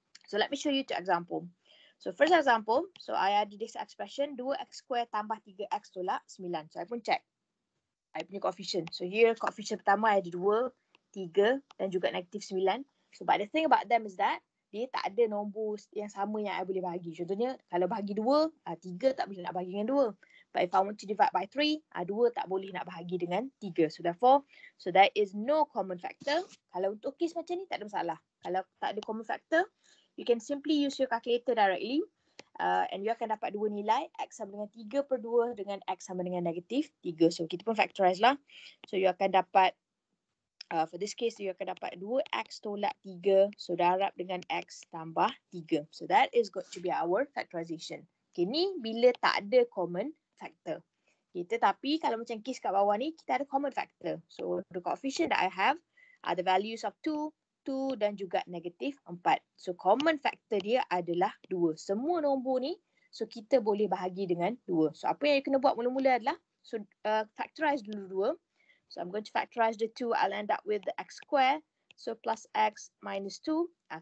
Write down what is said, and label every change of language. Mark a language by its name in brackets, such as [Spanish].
[English] So let me show you two example. So first example, so I added this expression, 2x square tambah 3x tolak 9. [Malay] So I pun check. I punya coefficient. So here coefficient pertama I ada 2, 3 dan juga negative 9. [English] So but the thing about them is that, [Malay] dia tak ada nombor yang sama yang I boleh bagi. Contohnya, kalau bagi 2, 3 tak boleh nak bagi dengan 2. [English] But if I want to divide by 3, [Malay] 2 tak boleh nak bahagi dengan 3. [English] So therefore, so there is no common factor. [Malay] Kalau untuk kes macam ni, tak ada masalah. Kalau tak ada common factor, [English] you can simply use your calculator directly. [Malay] And you akan dapat dua nilai. X sama dengan 3 per 2 dengan X sama dengan negatif 3. So kita pun factorize lah. So you akan dapat, for this case, you akan dapat 2x tolak 3. So darab dengan X tambah 3. [English] So that is got to be our factorization. Okay, [Malay] ni bila tak ada common factor. Okay, tetapi kalau macam case kat bawah ni, kita ada common factor. [English] So the coefficient that I have are the values of 2. [Malay] 2 dan juga negatif 4. So common factor dia adalah 2. Semua nombor ni, so kita boleh bahagi dengan 2. So apa yang you kena buat mula-mula adalah, so factorize dulu 2. [English] So I'm going to factorize the 2. I'll end up with the x square. So plus x minus 2.